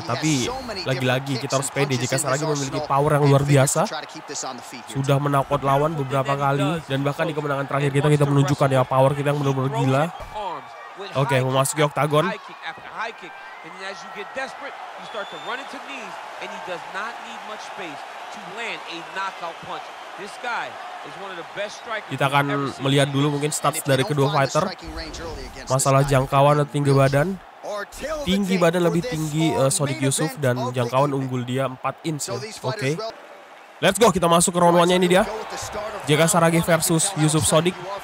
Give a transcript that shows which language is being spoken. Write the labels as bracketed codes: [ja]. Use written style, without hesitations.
[id] Tapi lagi-lagi kita harus pede. JK Saragi memiliki power yang luar biasa. Sudah menakut lawan beberapa kali. Dan bahkan di kemenangan terakhir kita menunjukkan ya power kita yang benar-benar gila. Oke, memasuki oktagon. [en] And as you get desperate, you start to run into knees, and he does not need much space to land a knockout punch. This guy is one of the best strikers. [id] Kita akan melihat dulu mungkin stats dari kedua fighter. Masalah jangkauan dan tinggi badan. Tinggi badan lebih tinggi Sodiq Yusuf dan jangkauan unggul dia 4 inch. Oke. Okay. [en] Let's go, [id] kita masuk ke round 1-nya, ini dia. JK Saragi versus Yusuf Sodiq.